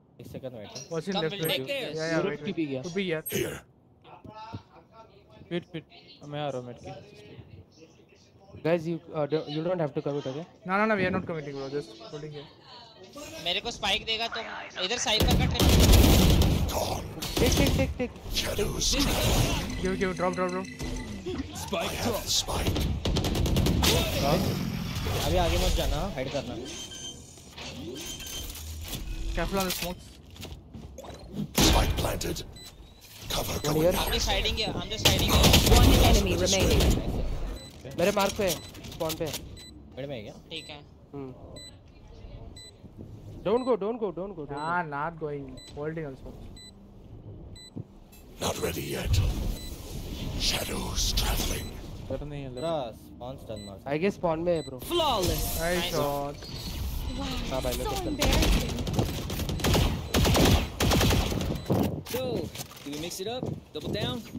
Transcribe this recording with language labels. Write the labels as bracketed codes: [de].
[en] Second right. What's in left? Yeah, yeah, wait. To be yeah. Wait, wait. I'm here, Romet. Guys, you don't have to commit again. No, no, no. We are not committing, bro. Just holding here. [hi] मेरे को spike देगा तो इधर cypher का trap. [en] Take. Give, give. Drop. Spike, drop. Spike. [hi] Drop. अभी आगे मत जाना. Hide करना. [en] Careful on the smokes. Spike planted. Cover, cover. I'm just hiding here. I'm just hiding here. One enemy remaining. [hi] मेरे मार्क पे, spawn पे. बड़े में क्या? ठीक है. [en] Don't go. Nah, not going. Holding also. Not ready yet. Shadows traveling. [hi] पर नहीं है. बड़ा spawn stun मार. [en] I guess spawn [hi] में है, [en] bro. Flawless. Nice shot. [hi] Wow. हाँ भाई मैं करता हूँ. [en] So, we mix it up, double down.